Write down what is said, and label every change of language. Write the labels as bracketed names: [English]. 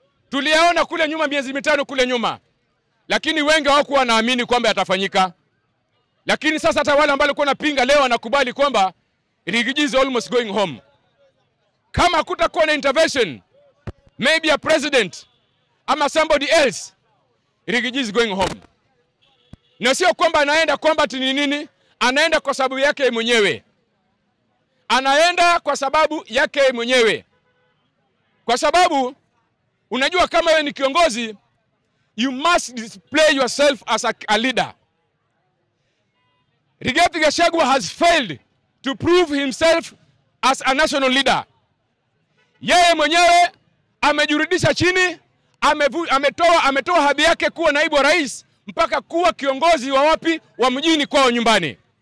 [Swahili] Tuliona kule nyuma miezi mitano kule nyuma. Lakini wengi hawakuwa naamini kwamba yatafanyika. Lakini sasa hata wale ambao walikuwa wanapinga leo wanakubali kwamba Rigiji [English] is almost going home. [Swahili] Kama kutakuwa na [English] intervention, maybe a president [Swahili] ama [English] somebody else, [Swahili] Rigiji [English] is going home. [Swahili] Na sio kwamba anaenda combat ni nini? Anaenda kwa sababu yake mwenyewe. Anaenda kwa sababu yake mwenyewe. Kwa sababu unajua kama wewe ni kiongozi, [English] you must display yourself as a leader. Rigathi Gachagua has failed to prove himself as a national leader. [Swahili] Yeye mwenyewe amejurudisha chini, ametoa hadhi yake kuwa naibu wa rais mpaka kuwa kiongozi wa wapi, wa mjini kwao nyumbani.